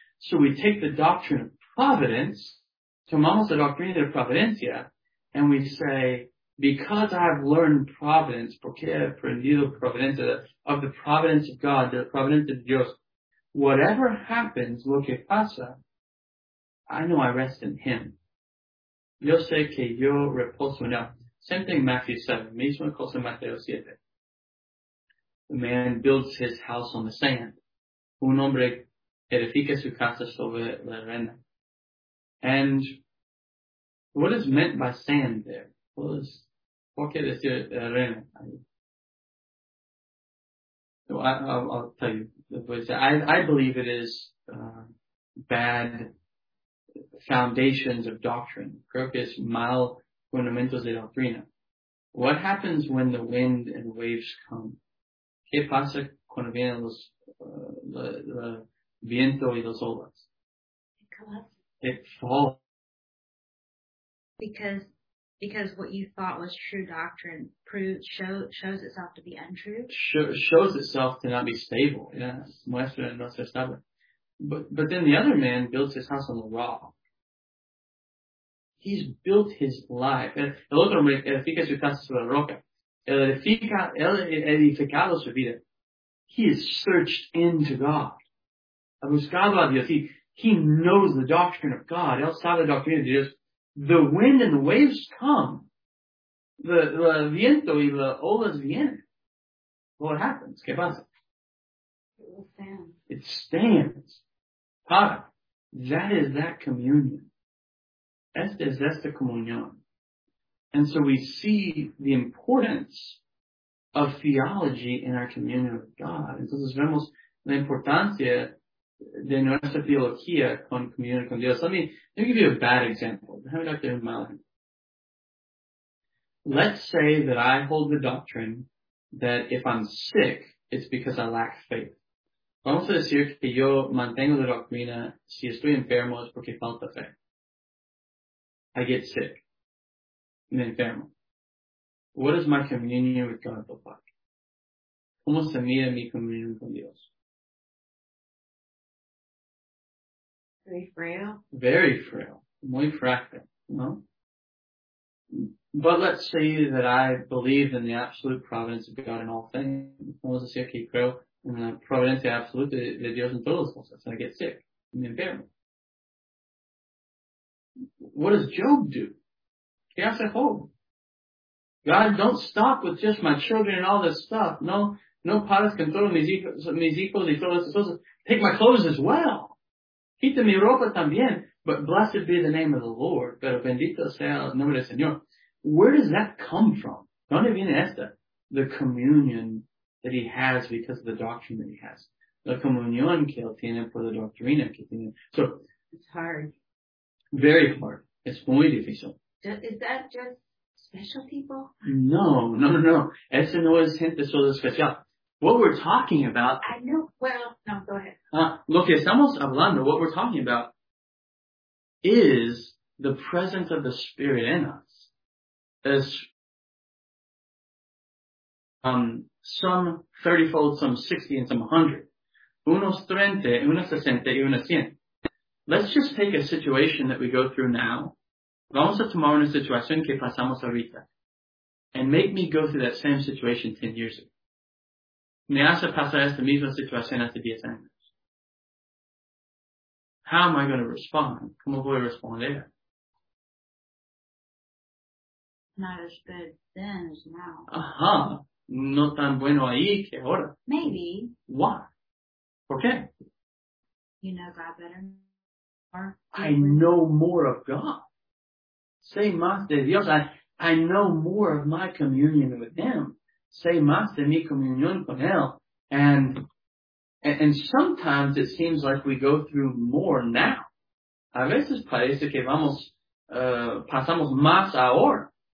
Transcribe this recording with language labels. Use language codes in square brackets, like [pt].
[en] So we take the doctrine of providence, [es] tomamos la doctrina de providencia, [en] and we say, because I've learned providence, [es] porque he aprendido providencia, [en] of the providence of God, the providence of Dios, whatever happens, [es] lo que pasa, [en] I know I rest in Him. [es] Yo sé que yo reposo en él. [en] Same thing Matthew 7, [es] mismo cosa Mateo 7. [en] The man builds his house on the sand. [es] Un hombre edifica su casa sobre la arena. [en] And what is meant by sand there? What is, [es] ¿por qué decir arena? [en] I'll tell you. I believe it is bad foundations of doctrine. [es] Creo que es mal fundamentos de doctrina. [en] What happens when the wind and waves come? [es] ¿Qué pasa cuando vienen los la viento y las olas? [en] It falls. Because what you thought was true doctrine shows itself to be untrue? Shows itself to not be stable, yes. [es] Muestra no ser estable. [en] But then the other man builds his house on the rock. He's built his life. [es] El otro hombre edifica su casa sobre la roca. Él edificado su vida. [en] He has searched into God. [es] Ha buscado a Dios. [en] He knows the doctrine of God. [es] Él sabe la doctrina de Dios. [en] The wind and the waves come. [es] The viento y la olas vienen. [en] What happens? [es] ¿Qué pasa? [en] It will stand. It stands. Para. That is that communion. [es] Esta es esta comunión. [en] And so we see the importance of theology in our communion with God. [es] Entonces vemos la importancia de nuestra teología con comunión con Dios. [en] Let me give you a bad example. Have it up there in my life. Let's say that I hold the doctrine that if I'm sick, it's because I lack faith. [es] Vamos a decir que yo mantengo la doctrina si estoy enfermo es porque falta fe. [en] I get sick. Enfermo. What does my communion with God look like? [es] ¿Cómo se mide mi comunión con Dios? [en] Very frail. Very frail. [es] Muy frágil, ¿no? [en] But let's say that I believe in the absolute providence of God in all things. [es] Vamos a decir que creo en la providencia absoluta de Dios en todas las cosas. [en] And I get sick. Enfermo. What does Job do? He has a hope. God, don't stop with just my children and all this stuff. [es] No, no paras con todos mis hijos y todas estas cosas. [en] Take my clothes as well. [es] Quita mi ropa también. [en] But blessed be the name of the Lord. [es] Pero bendito sea el nombre del Señor. [en] Where does that come from? [es] ¿Dónde viene esta? [en] The communion that he has because of the doctrine that he has. [es] La comunión que él tiene por la doctrina que tiene. [en] So. It's hard. Very hard. [es] Es muy difícil. [en] Is that just special people? [es] No. Eso no es gente solo especial. [en] What we're talking about... I know. Well, no, go ahead. [es] Lo que estamos hablando, [en] what we're talking about, is the presence of the Spirit in us. is some 30-fold, some 60, and some 100. [es] Unos 30, unos 60, y unos 100. [en] Let's just take a situation that we go through now. [es] Vamos a tomar una situación que pasamos ahorita. [en] And make me go through that same situation 10 years ago. [es] Me hace pasar esta misma situación hace 10 años. [en] How am I going to respond? [es] ¿Cómo voy a responder? [en] Not as good then as now. [es] Ajá. No tan bueno ahí que ahora. [en] Maybe. Why? [es] ¿Por qué? [en] You know God better. I know more of God. [es] Say más de Dios. [en] I know more of my communion with Him. [es] Say más de mi comunión con Él. [en] And sometimes it seems like we go through more now. [es] A veces parece que vamos, pasamos más ahora.